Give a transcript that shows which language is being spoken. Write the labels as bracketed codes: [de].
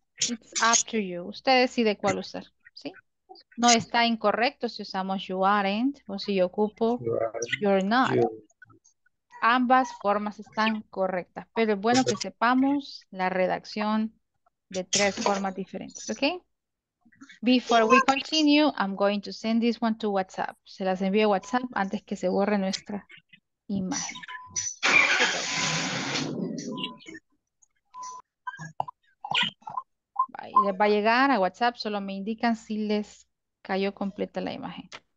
[en] It's up to you. [es] Usted decide cuál usar. No está incorrecto si usamos you aren't o si yo ocupo you're not. Ambas formas están correctas, pero es bueno que sepamos la redacción de tres formas diferentes, ¿ok? [en] Before we continue, I'm going to send this one to WhatsApp. [es] Se las envío a WhatsApp antes que se borre nuestra imagen. Y les va a llegar a WhatsApp, solo me indican si les cayó completa la imagen.